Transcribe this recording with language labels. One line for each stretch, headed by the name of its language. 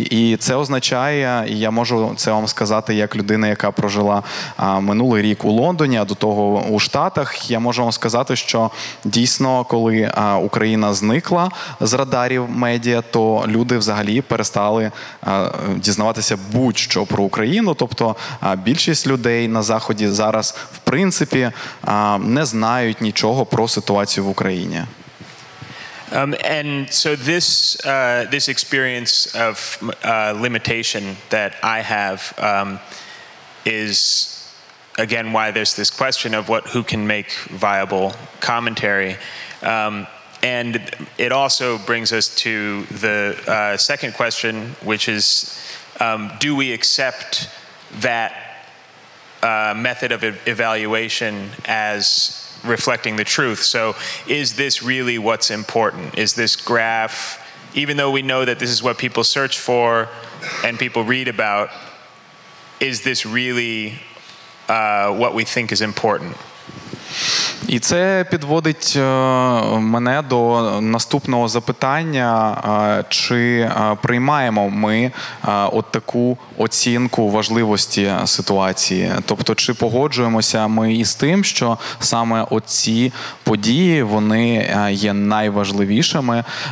Ukrainian: І це означає, і я можу це вам сказати як людина, яка прожила минулий рік у Лондоні, а до того у Штатах, я можу вам сказати, що дійсно, коли Україна зникла з радарів медіа, то люди взагалі перестали дізнаватися будь-що про Україну. Тобто більшість людей на Заході зараз, в принципі, не знають нічого про ситуацію в Україні.
English: And so this this experience of limitation that I have is again why there's this question of what who can make viable commentary. And it also brings us to the second question, which is do we accept that method of evaluation as reflecting the truth? So is this really what's important? Is this graph, even though we know that this is what people search for and people read about, is this really what we think is important?
Ukrainian: І це підводить мене до наступного запитання, чи приймаємо ми от таку оцінку важливості ситуації. Тобто, чи погоджуємося ми із тим, що саме оці події, вони є найважливішими.